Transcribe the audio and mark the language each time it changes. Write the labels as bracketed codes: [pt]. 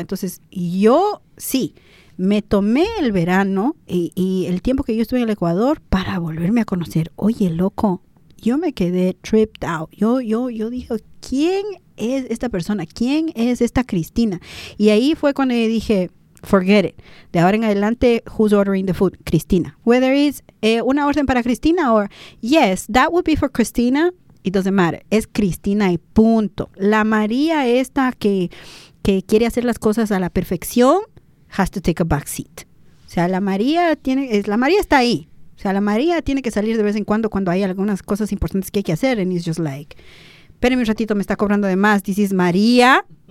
[es] Entonces, yo sí, me tomé el verano y el tiempo que yo estuve en el Ecuador para volverme a conocer. Oye, loco, yo me quedé [en] tripped out. [es] Yo dije, ¿quién es esta persona? ¿Quién es esta Cristina? Y ahí fue cuando yo dije, [en] forget it. [es] De ahora en adelante, [en] who's ordering the food? [es] Cristina. [en] Whether it's [es] una orden para [en] Cristina or yes, that would be for Cristina, it doesn't matter. [es] Es Cristina y punto. La María esta que quiere hacer las cosas a la perfección [en] has to take a back seat. [es] O sea, la María está ahí. O sea, la María tiene que salir de vez en cuando hay algunas cosas importantes que hay que hacer [en] and it's just like, [es] espérame un ratito, me está cobrando de más, [en] this is María.